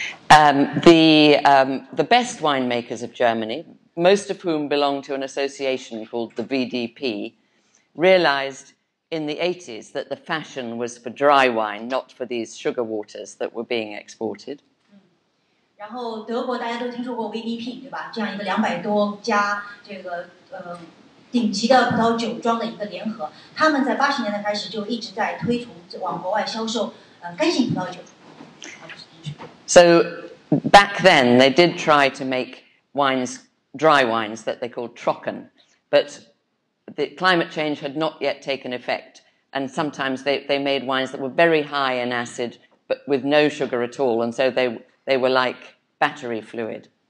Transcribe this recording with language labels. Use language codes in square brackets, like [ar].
[en] The best winemakers of Germany, most of whom belong to an association called the VDP, realized in the 80s that the fashion was for dry wine, not for these sugar waters that were being exported. [zh] 然后德国大家都听说过VDP，对吧？这样一个200多家这个顶级的葡萄酒庄的一个联合，他们在80年代开始就一直在推崇往国外销售干性葡萄酒。 [en] So back then, they did try to make wines, dry wines, that they called trocken, but the climate change had not yet taken effect, and sometimes they made wines that were very high in acid, but with no sugar at all, and so they were like battery fluid.